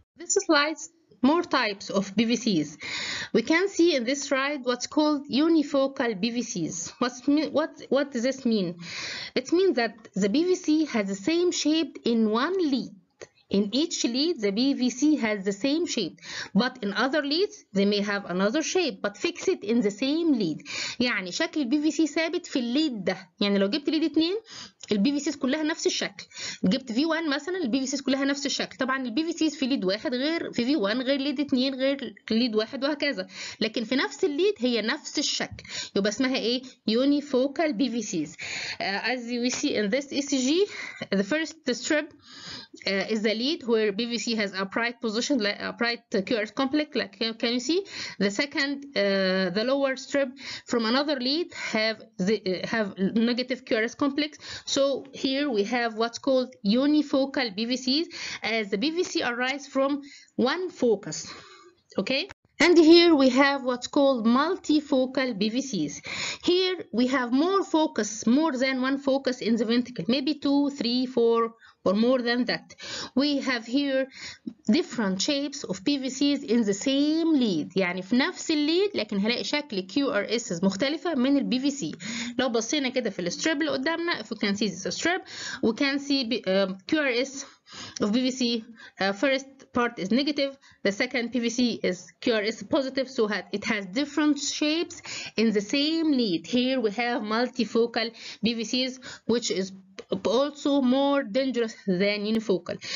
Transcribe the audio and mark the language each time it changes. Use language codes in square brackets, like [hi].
[en] This slide's more types of PVCs. We can see in this slide what's called unifocal PVCs. What does this mean? It means that the PVC has the same shape in one lead. In each lead, the PVC has the same shape, but in other leads, they may have another shape, but fix it in the same lead. [ar] يعني شكل PVC ثابت في الليد ده. يعني لو جبت ليد اتنين, PVCs كلها نفس الشكل. جبت V1 مثلا, PVCs كلها نفس الشكل. طبعا PVCs في ليد واحد غير في V1 غير ليد اتنين غير ليد واحد وهكذا. لكن في نفس الليد هي نفس الشكل. يبقى اسمها ايه? Unifocal PVCs. [en] As we see in this ECG, the first strip is the lead where PVC has upright position, like upright QRS complex, like can you see? The second, the lower strip from another lead have negative QRS complex. So here we have what's called unifocal PVCs, as the PVC arises from one focus. Okay. And here we have what's called multifocal PVCs. Here we have more focus, more than one focus in the ventricle, maybe two, three, four, or more than that. We have here different shapes of PVCs in the same lead. [ar] يعني في نفس lead, لكن هلاقي شكل QRS مختلفة من ال PVC. لو بصينا كده في الستريب اللي قدامنا, [en] if we can see this strip, we can see QRS of PVC. First part is negative, the second PVC is QRS positive, so it has different shapes in the same lead. Here we have multifocal PVCs, which is also more dangerous than unifocal.